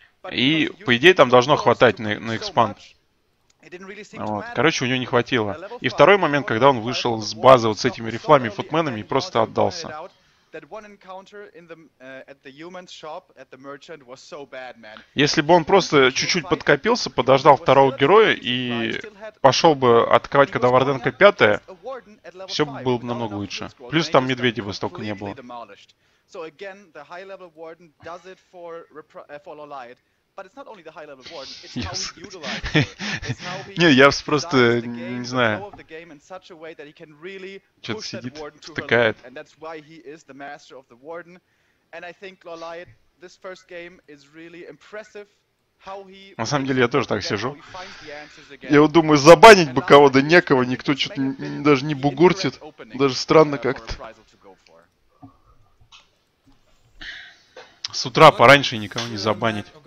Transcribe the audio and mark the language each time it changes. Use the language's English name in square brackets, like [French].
[Russian] И, по идее, там должно хватать на экспанд. Вот. Короче, у него не хватило. И второй момент, когда он вышел с базы вот с этими рифлами и футменами и просто отдался. [English] That one encounter in the at the human's shop at the merchant was so bad, man. [Russian] Если бы он просто чуть-чуть подкопился, подождал второго героя и пошел бы атаковать, когда Варденка пятая, все было бы намного лучше. Плюс там медведей бы столько не было. [English] So again, the high level warden does it for Law Liot. But it's not only the high level warden, it's how he utilizes it. It's how he uses the game, the flow of the game in such a way that he can really push that warden to her limit. And that's why he is the master of the warden. And I think Law Liot, this first game is really impressive. [Russian] На самом деле я тоже так сижу. Я вот думаю, забанить бы кого-то, некого, никто что-то даже не бугуртит. Даже странно как-то. С утра пораньше никого не забанить.